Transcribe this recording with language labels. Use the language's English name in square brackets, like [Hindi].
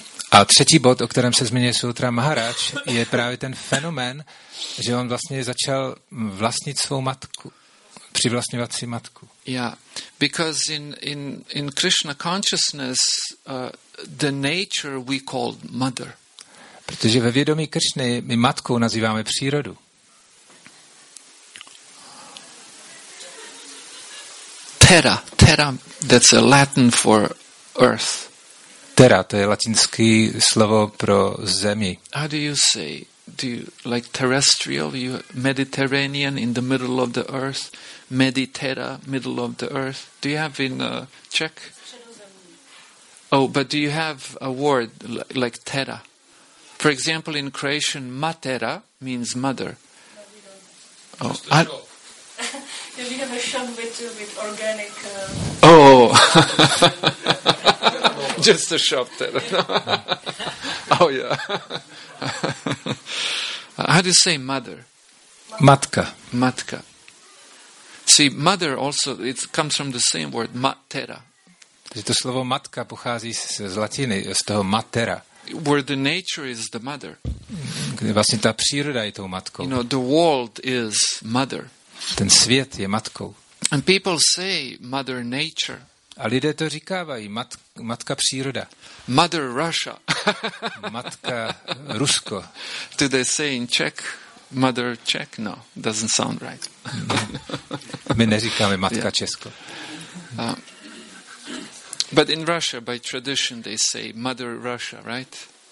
[Czech] A třetí bod, o kterém se zmiňuje Suhotra Maharaj, je právě ten fenomén, že on vlastně začal vlastnit svou matku, přivlastňovat si matku. [English] Yeah, because in Krishna consciousness the nature we call mother. [Czech] Protože ve vědomí Krishny my matkou nazýváme přírodu. [English] Terra, that's a Latin for earth. [Czech] Terra, to je latinský slovo pro zemi. [English] How do you say? Do you like terrestrial? You Mediterranean in the middle of the earth? Mediterra, middle of the earth? Do you have in Czech? Oh, but do you have a word like terra? For example, in Croatian, matera means mother. Oh, I. Do you have a shop with organic... Oh! Just a shop there. Oh, yeah. How do you say mother? [Czech] Matka. Matka. [English] See, mother also, it comes from the same word, matera. [Czech] To slovo matka pochází z latiny, z toho matera. [English] Where the nature is the mother. [Czech] Vlastně ta příroda je tou matkou. [English] You know, the world is mother. [Czech] Ten svět je matkou. [English] And people say Mother Nature. [Czech] A lidé to říkávají, matka příroda. [English] Mother Russia. [Czech] Matka Rusko. [English] Do they say in Czech, Mother Czech? No, doesn't sound right. [Czech] My neříkáme matka yeah. Česko. [English] But in Russia, by tradition, they say Mother Russia, right?